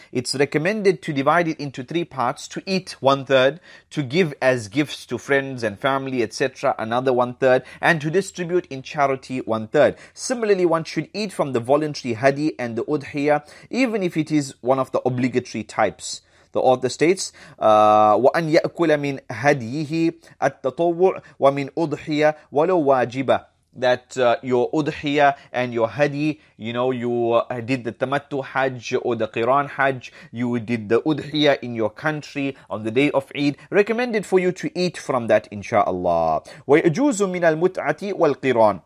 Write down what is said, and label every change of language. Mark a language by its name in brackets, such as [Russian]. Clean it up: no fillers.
[English] It's recommended to divide it into 3 parts, to eat 1/3, to give as gifts to friends and family, etc., another 1/3, and to distribute in charity 1/3. Similarly, one should eat from the voluntary hadi and the udhiyah, even if it is one of the obligatory types. The author states, [Arabic] وَأَنْ يَأْكُلَ مِنْ هَدِيِهِ التَّطَوُّعُ وَمِنْ أُضْحِيَةٍ وَلَوْ وَاجِبَةً. [English] That your udhiyah and your hadi, you know, you did the tamattu hajj or the qiran hajj, you did the udhiyah in your country on the day of Eid, recommended for you to eat from that, insha'Allah. [Arabic] وَيَجُوزُ مِنَ الْمُتْعَةِ وَالْقِرَانِ.